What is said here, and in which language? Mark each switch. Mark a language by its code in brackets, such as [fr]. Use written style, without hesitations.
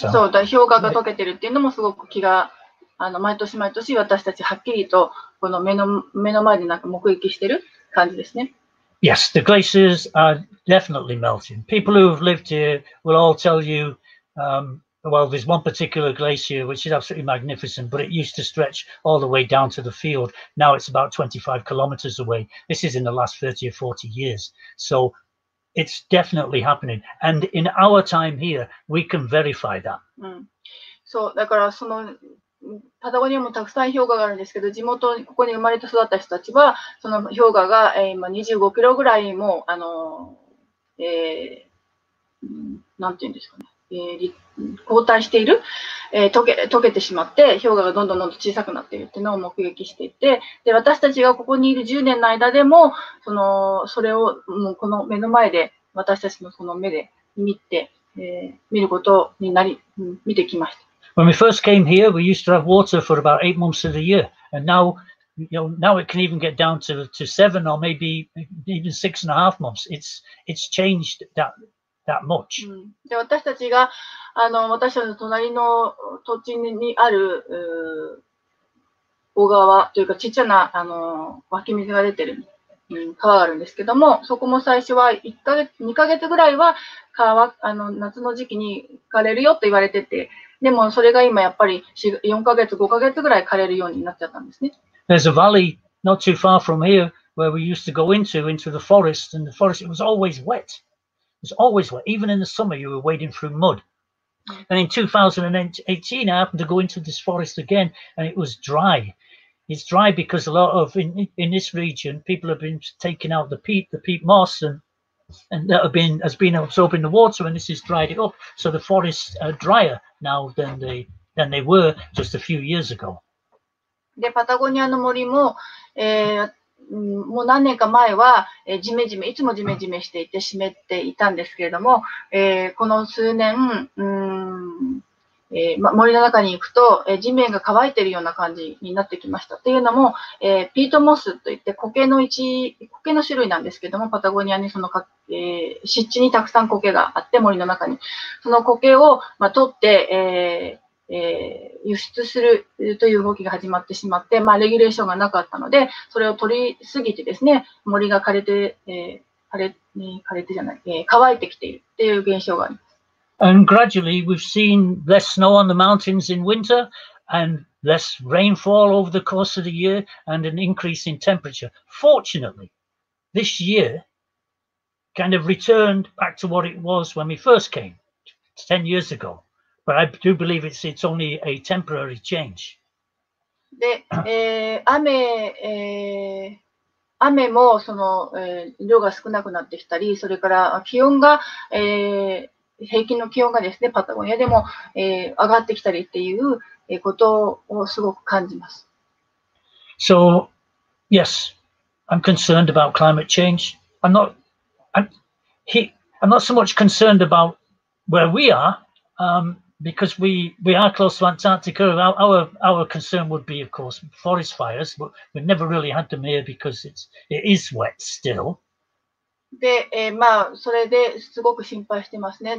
[en] So the [ja] 氷河が溶けてるっていうのもすごく気が、あの、毎年毎年私たちはっきりとこの目の前でなんか目撃してる感じですね。 [en] Yes, the glaciers are definitely melting. People who have lived here will all tell you, well, there's one particular glacier which is absolutely magnificent, but it used to stretch all the way down to the field. Now it's about 25 kilometers away. This is in the last 30 or 40 years. So It's definitely happening. And in our time here, we can verify that. [ja] そう、だからそのパタゴニアもたくさん氷河があるんですけど、地元にここに生まれて育った人たちは、その氷河が、今25キロぐらいも、なんていうんですかね、後退している、溶けてしまって、氷河がどんどんどんどん小さくなっているっていうのを目撃していて、で、私たちがここにいる10年の間でも、それをもうこの目の前で、私たちのその目で見て、見ることになり、見てきました。 [en] When we first came here, we used to have water for about 8 months of the year. And now, you know, now it can even get down to 7 or maybe even 6.5 months. It's changed that much. [ja] で、私たちが、私たちの隣の土地にある、小川というか小さな、湧き水が出てる、川があるんですけども、そこも最初は1ヶ月、2ヶ月ぐらいは川は、夏の時期に枯れるよと言われてて、でもそれが今やっぱり4ヶ月、5ヶ月ぐらい枯れるようになっちゃったんですね。 [en] There's a valley not too far from here where we used to go into the forest, and the forest, it was always wet. It was always wet. Even in the summer, you were wading through mud. And in 2018, I happened to go into this forest again, and it was dry. It's dry because a lot of, in this region, people have been taking out the peat moss, and that has been absorbing the water, and this has dried it up. So the forests are drier. Now than they were just a few years ago. [ja] で、パタゴニアの森も、もう何年か前は、ジメジメ、いつもジメジメしていて湿っていたんですけれども、この数年、森の中に行くと、地面が乾いているような感じになってきました。というのも、ピートモスといって苔の種類なんですけども、パタゴニアにその、湿地にたくさん苔があって、森の中に。その苔を、取って、輸出するという動きが始まってしまって、レギュレーションがなかったので、それを取りすぎてですね、森が枯れて、枯れてじゃない、乾いてきているっていう現象があります。 [en] And gradually, we've seen less snow on the mountains in winter and less rainfall over the course of the year and an increase in temperature. Fortunately, this year kind of returned back to what it was when we first came, 10 years ago. But I do believe it's only a temporary change. [ja] で、雨もその、量が少なくなってきたり、それから気温が、平均の気温がですね、パタゴニアでも、上がってきたりっていうことをすごく感じます。 [en] So, yes, I'm concerned about climate change. I'm not so much concerned about where we are, because we are close to Antarctica. Our concern would be, of course, forest fires, but we've never really had them here because it is wet still. [ja] で、それですごく心配してますね。